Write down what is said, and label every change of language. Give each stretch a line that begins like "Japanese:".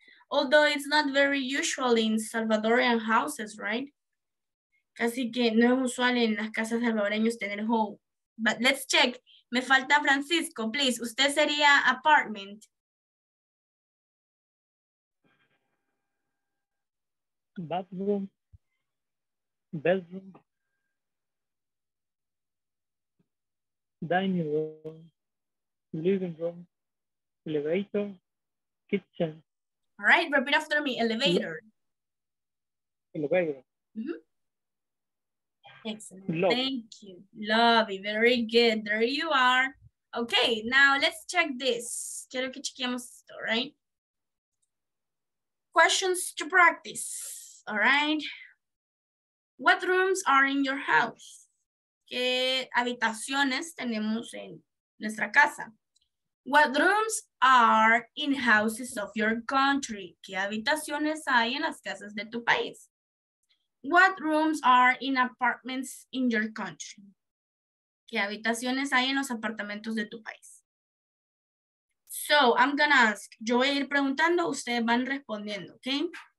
English: Although it's not very usual in Salvadorian houses, right?
Spanish: Casi que no es usual en las casas salvadoreñas tener home.
English: But let's check.
Spanish: Me falta Francisco, please. Usted sería apartment.
English: bathroom, bedroom, dining room, living room, elevator, kitchen. All right, repeat after me, elevator. Elevator. Mm-hmm. Excellent. Lobby. Thank you. Lovely. Very good. There you are. Okay, now let's check this.
Spanish: Quiero que chequemos esto,
English: right? Questions to practice. All right. What rooms are in your house?
Spanish: ¿Qué habitaciones tenemos en nuestra casa?
English: What rooms are in houses of your country?
Spanish: ¿Qué habitaciones hay en las casas de tu país?
English: What rooms are in apartments in your country?
Spanish: ¿Qué habitaciones hay en los apartamentos de tu país?
English: So, I'm gonna ask.
Spanish: Yo voy a ir preguntando, ustedes van respondiendo, ¿ok?